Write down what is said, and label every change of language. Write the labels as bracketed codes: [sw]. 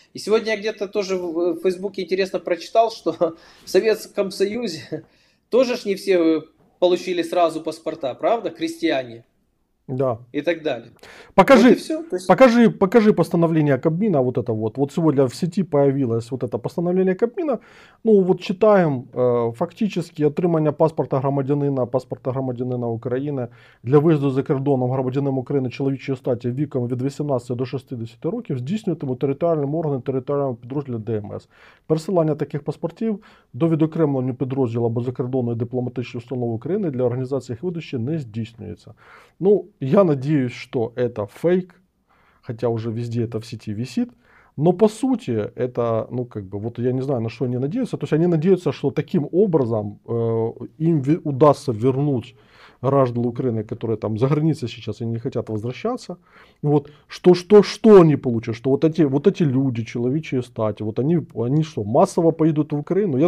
[ru] И сегодня я где-то тоже в Фейсбуке интересно прочитал, что в Советском Союзе тоже ж не все получили сразу паспорта, правда, крестьяне? Да. И так далее. Покажи, вот и все. Покажи постановление Кабмина, вот это вот. Вот сегодня в сети появилось вот это постановление Кабмина. Ну вот читаем, фактически [uk] отримання паспорта громадянина України для виїзду за кордоном громадянином України чоловічої статі віком від 18 до 60 років здійснюватиме територіальним органом територіального підрозділу ДМС. Пересилання таких паспортів до відокремлення підрозділу або закордонної дипломатичної установи України для організації їх видачі не здійснюється. [ru] Ну, я надеюсь, что это фейк, хотя уже везде это в сети висит, но по сути это, ну как бы, вот я не знаю, на что они надеются, то есть они надеются, что таким образом им удастся вернуть граждан Украины, которые там за границей сейчас и не хотят возвращаться, вот, что они получат, что вот эти люди, человечьи стати, вот они что, массово пойдут в Украину?